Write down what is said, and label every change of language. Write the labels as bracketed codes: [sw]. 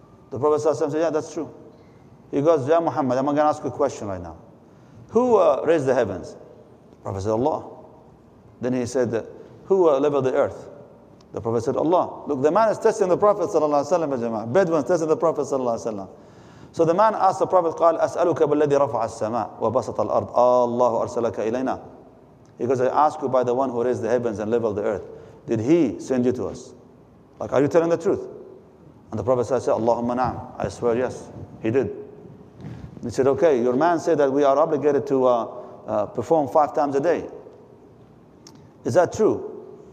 [en] The Prophet said, yeah, that's true. He goes, Ya Muhammad, I'm going to ask you a question right now. Who raised the heavens? The Prophet said, Allah. Then he said, who leveled the earth? The Prophet said, Allah. Look, the man is testing the Prophet ﷺ. Bedouins testing the Prophet ﷺ. So the man asked the Prophet, [ar] قال, أسألك بالذي رفع السماء وبسط الأرض. الله أرسلك إلينا. [en] He goes, I ask you by the one who raised the heavens and leveled the earth. Did he send you to us? Like, are you telling the truth? And the Prophet said, Allahumma na'am. I swear, yes, he did. And he said, okay, your man said that we are obligated to perform 5 times a day. Is that true?